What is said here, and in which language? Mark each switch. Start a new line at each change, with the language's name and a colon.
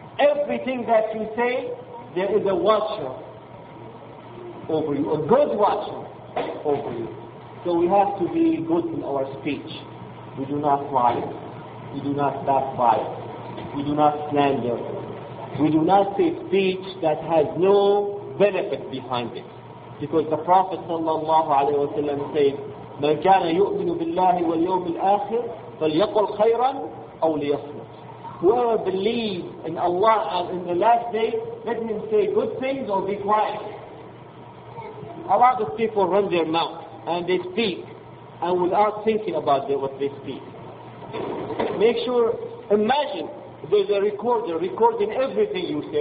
English: Everything that you say, there is a watcher over you, a good watcher over you. So we have to be good in our speech. We do not lie. We do not backbite. We do not slander. We do not say speech that has no benefit behind it. Because the Prophet sallallahu alayhi wa sallam said,
Arabic: مَنْ كَانَ يُؤْمِنُ بِاللَّهِ وَالْيَوْمِ الْآخِرِ فَلْيَقُلْ خَيْرًا أَوْ لِيَصْمُتْ.
English: Whoever believes in Allah and in the last day, let him say good things or be quiet. A lot of people run their mouth and they speak and without thinking about what they speak. Make sure, imagine there's a recorder recording everything you say.